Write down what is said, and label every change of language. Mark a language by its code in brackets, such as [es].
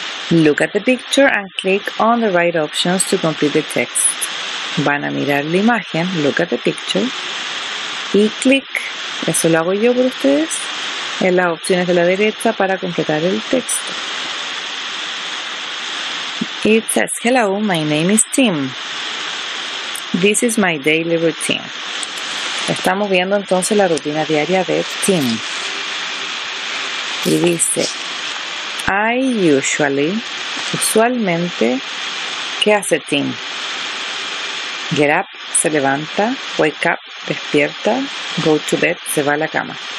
[en] Look at the picture and click on the right options to complete the text. [es] Van a mirar la imagen, look at the picture, y click, eso lo hago yo por ustedes, en las opciones de la derecha para completar el texto. [en] It says, hello, my name is Tim. This is my daily routine. [es] Estamos viendo entonces la rutina diaria de Tim. Y dice, I usually, usualmente, ¿qué hace Tim? Get up, se levanta, wake up, despierta, go to bed, se va a la cama.